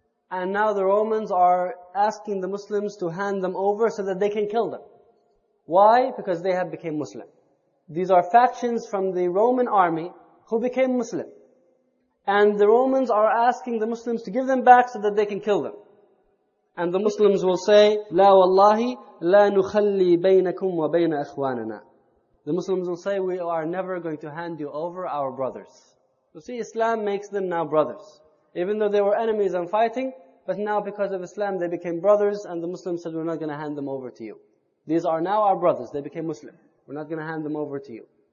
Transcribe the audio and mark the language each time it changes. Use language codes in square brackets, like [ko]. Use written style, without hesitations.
[en] And now the Romans are asking the Muslims to hand them over so that they can kill them. Why? Because they have become Muslim. These are factions from the Roman army who became Muslim. And the Romans are asking the Muslims to give them back so that they can kill them. And the Muslims will say, [ar] لا والله لا نخلي بينكم وبين أخواننا. [en] The Muslims will say, we are never going to hand you over our brothers. You see, Islam makes them now brothers. Even though they were enemies and fighting, but now because of Islam they became brothers, and the Muslims said, we're not going to hand them over to you. These are now our brothers, they became Muslim. We're not going to hand them over to you.